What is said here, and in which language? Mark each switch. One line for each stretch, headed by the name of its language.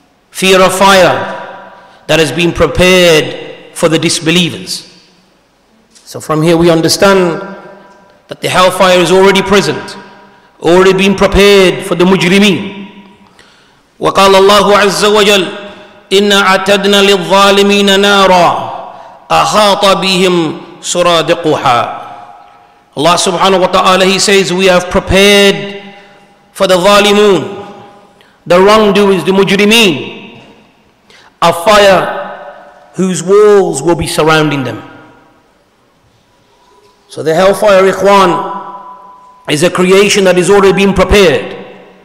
English: Fear of fire that has been prepared for the disbelievers. So from here we understand that the hellfire is already present, already been prepared for the mujrimeen.
Arabic: وَقَالَ اللَّهُ عَزَّ وَجَلَّ إنا أعتدنا للظالمين نارا أحاط بهم سرادقها.
English: Allah subhanahu wa ta'ala, he says, we have prepared for the zalimun, the wrongdoers, the mujrimeen, a fire whose walls will be surrounding them. So the hellfire, ikhwan, is a creation that is already being prepared.